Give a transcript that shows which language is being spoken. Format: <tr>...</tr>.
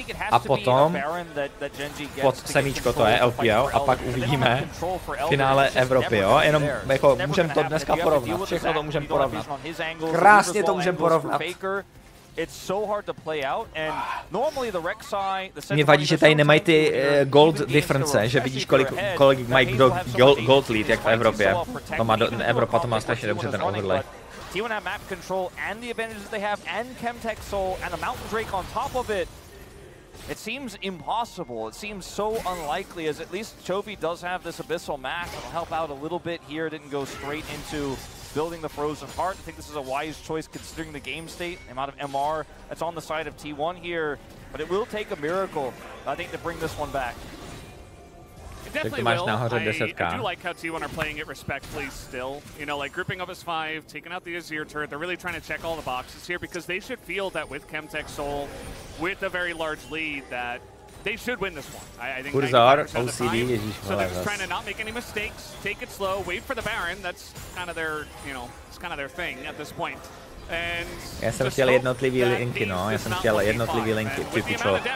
<cs>A potom, pod semíčko to je LPL, a pak uvidíme finále Evropy, jo? Jenom, jako, můžeme to dneska porovnat. Všechno to můžeme porovnat. Krásně to můžeme porovnat.</cs> <en>It's so hard to play out, and normally the Rek'Sai.</en> <cs>Mě vadí, že tady nemají ty gold difference, že vidíš kolik mají kdo gold lead jak v Evropě. To má Evropa to má strašně dobře ten overlay.</cs> <en>T1 have map control and the advantages they have, and Chemtech Soul and a Mountain Drake on top of it. It seems impossible. It seems so unlikely, as at least Chovy does have this Abyssal Mask that'll help out a little bit here. Didn't go straight into. Building the frozen heart. I think this is a wise choice considering the game state, the amount of MR that's on the side of T1 here. But it will take a miracle, I think, to bring this one back. It definitely will. I do like how T1 are playing it respectfully still. You know, like grouping up as five, taking out the Azir turret. They're really trying to check all the boxes here because they should feel that with Chemtech Soul, with a very large lead, that they should win this one. I think Urzar, OCD, the so they're just trying to not make any mistakes, take it slow, wait for the Baron. That's kind of their, you know, it's kind of their thing at this point.</en> <cs>Já jsem chtěl jednotlivý linky, no, já jsem chtěl jednotlivý linky, typičo.</cs>